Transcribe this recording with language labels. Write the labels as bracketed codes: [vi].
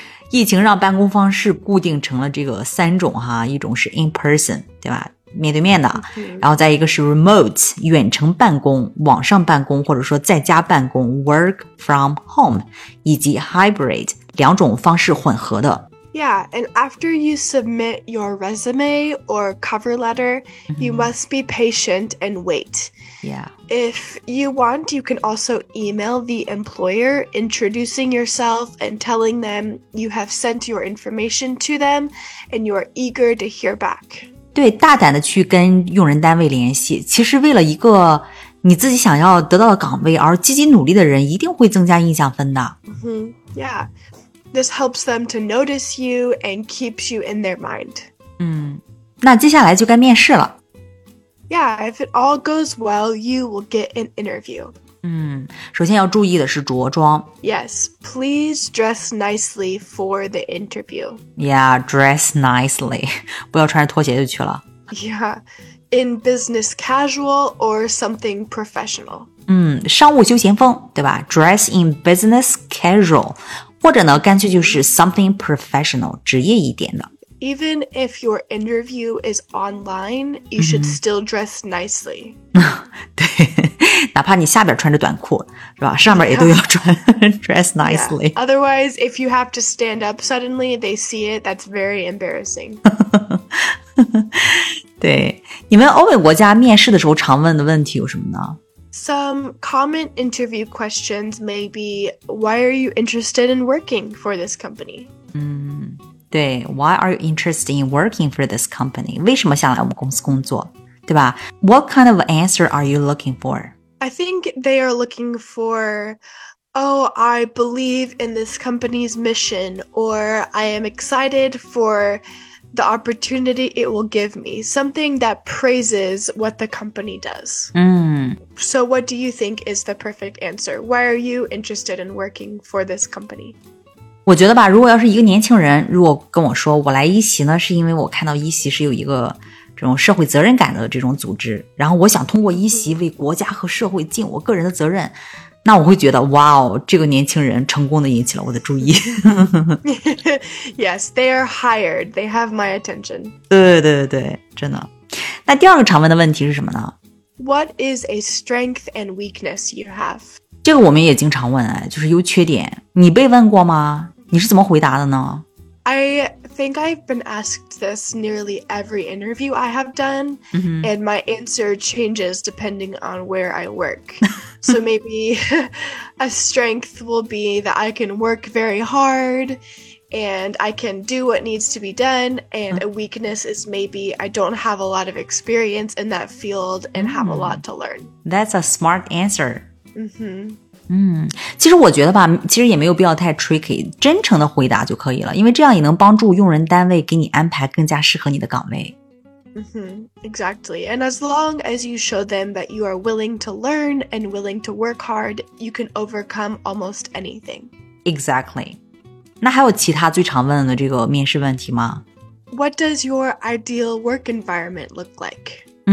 [zh] 疫情让办公方式固定成了这个三种哈，一种是 [en] in person, [zh] 对吧？面对面的。然后再一个是 remote, 远程办公，网上办公，或者说在家办公 , [en] work from home, [zh] 以及 hybrid, 两种方式混合的。 [en] Yeah, and after you submit your resume or cover letter, you must be patient and wait. Yeah. If you want, you can also email the employer introducing yourself and telling them you have sent your information to them and you are eager to hear back. [zh] 对，大胆的去跟用人单位联系，其实为了一个你自己想要得到的岗位而积极努力的人一定会增加印象分的。 [en] Yeah. This helps them to notice you and keeps you in their mind. [zh] 那接下来就该面试了。 [en] Yeah, if it all goes well, you will get an interview. [zh] 首先要注意的是着装。 [en] Yes, please dress nicely for the interview. Yeah, dress nicely. [zh] 不要穿着拖鞋就去了。 [en] Yeah, in business casual or something professional. [zh] 商务休闲风，对吧？ [en] Dress in business casual. [zh] 或者呢干脆就是 [en] something professional, [zh] 职业一点的。 [en] Even if your interview is online, you should still dress nicely. [zh] 对，哪怕你下边穿着短裤是吧，上边也都要穿 [en] dress nicely. Yeah. Otherwise, if you have to stand up suddenly, they see it, that's very embarrassing. [zh] 对，你们欧美国家面试的时候常问的问题有什么呢？ [en] Some common interview questions may be, why are you interested in working for this company? 对 why are you interested in working for this company? [zh] 为什么想来我们公司工作对吧 [en] What kind of answer are you looking for? I think they are looking for, oh, I believe in this company's mission, or I am excited for the opportunity it will give me, something that praises what the company does. So what do you think is the perfect answer? Why are you interested in working for this company? [zh] 我觉得吧，如果要是一个年轻人如果跟我说我来一席呢，是因为我看到一席是有一个这种社会责任感的这种组织，然后我想通过一席为国家和社会尽我个人的责任，那我会觉得哇哦，这个年轻人成功的引起了我的注意。 [en] Yes, they are hired. They have my attention. [zh] 对对对，真的。那第二个常问的问题是什么呢？ [en] What is a strength and weakness you have? [zh] 这个我们也经常问，就是优缺点。你被问过吗？你是怎么回答的呢？ [en] I think I've been asked this nearly every interview I have done,、 mm-hmm. and my answer changes depending on where I work. So maybe a strength will be that I can work very hard and I can do what needs to be done, and、mm-hmm. a weakness is maybe I don't have a lot of experience in that field and have、mm-hmm. a lot to learn. That's a smart answer. Mm-hmm. [zh] 嗯，其实我觉得吧，其实也没有必要太 tricky， 真诚的回答就可以了，因为这样也能帮助用人单位给你安排更加适合你的岗位。 [en] Mm-hmm, exactly. And as long as you show them that you are willing to learn and willing to work hard, you can overcome almost anything. Exactly. [zh] 那还有其他最常问的这个面试问题吗？ [en] What does your ideal work environment look like?